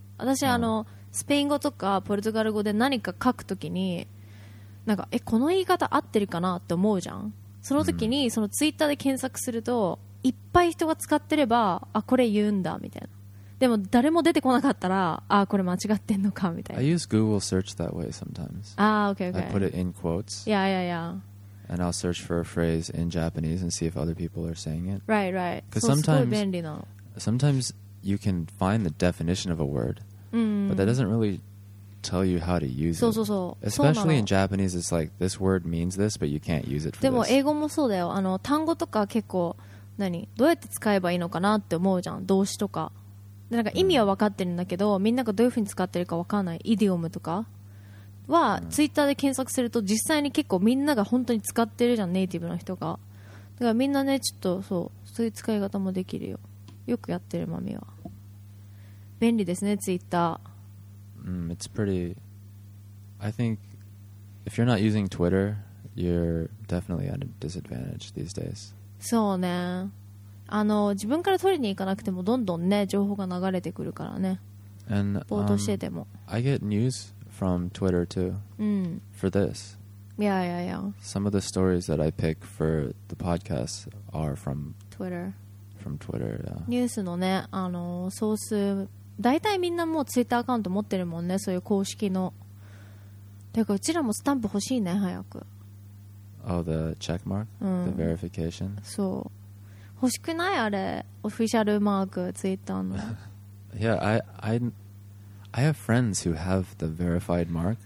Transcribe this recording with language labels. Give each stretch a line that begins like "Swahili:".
Japanese: 私、あの、スペイン語とかポルトガル語で何か書くときに、なんか、え、この言い方合ってるかなって思うじゃん。その時に、そのツイッターで検索すると、いっぱい人が使ってれば、あ、これ言うんだみたいな。でも誰も出てこなかったら、あ、これ間違ってんのかみたいな。
English: I use Google search that way sometimes. Ah, okay, okay. I put it in quotes. Yeah, yeah, yeah. And I'll search for a phrase in Japanese and see if other people are saying it. Right, right. Because sometimes,
Japanese: すごい便利な。
English: Sometimes you can find the definition of a word,、
Japanese: うん、
English: but that doesn't really tell you how to use
Japanese: そうそうそう
English: it. Especially in Japanese, it's like this word means this, but you can't use it for this.
Japanese: でも英語もそうだよ。あの、単語とか結構、何、どうやって使えばいいのかなって思うじゃん。動詞とか。なんか意味は分かってるんだけど、みんながどういうふうに使ってるか分からない。イディオムとかはツイッターで検索すると、実際に結構みんなが本当に使ってるじゃん、ネイティブの人が。だからみんなね、ちょっとそう、そういう使い方もできるよ。よくやってるマミは。便利ですね、ツイッター
English: 。 うん、It's pretty... I think if you're not using Twitter, you're definitely at a disadvantage these days.
Japanese: そうね。あの、自分から取りに行かなくても、どんどんね、情報が流れてくるからね。
English: And,
Japanese: ぼーっとしてても。
English: I get news from Twitter too.
Japanese: うん。
English: For this. Yeah, yeah, yeah. Some of the stories that I pick for the podcast are from Twitter. From Twitter, yeah.
Japanese: ニュースのね、あの、ソース、大体みんなもう Twitter アカウント持ってるもんね、そういう公式の。てか、うちらもスタンプ欲しいね、早く。
English: Oh, the checkmark?、
Japanese: うん、
English: the verification?
Japanese: そう。欲しくない？あれ、オフィシャルマーク、ツイッターの。
English: Yeah, I have friends who have the verified mark.